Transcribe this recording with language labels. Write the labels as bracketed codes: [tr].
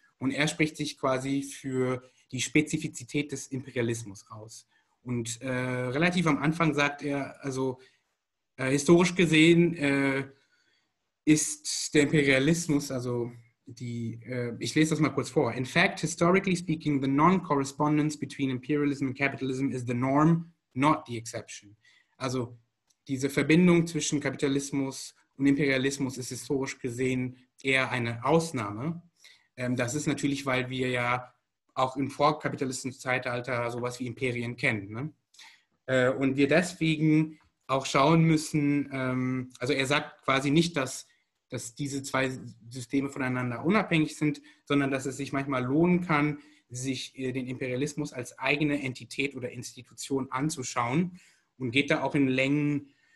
[de] Und er spricht sich quasi für die Spezifizität des Imperialismus aus. Und relativ am Anfang sagt er, also historisch gesehen ist der Imperialismus, also die, ich lese das mal kurz vor. [en] In fact, historically speaking, the non-correspondence between imperialism and capitalism is the norm, not the exception. [de] Also diese Verbindung zwischen Kapitalismus und Imperialismus ist historisch gesehen eher eine Ausnahme. Das ist natürlich, weil wir ja auch im vorkapitalistischen Zeitalter sowas wie Imperien kennen. Ne? Und wir deswegen auch schauen müssen, also er sagt quasi nicht, dass diese zwei Systeme voneinander unabhängig sind, sondern dass es sich manchmal lohnen kann, sich den Imperialismus als eigene Entität oder Institution anzuschauen und geht da auch in Längen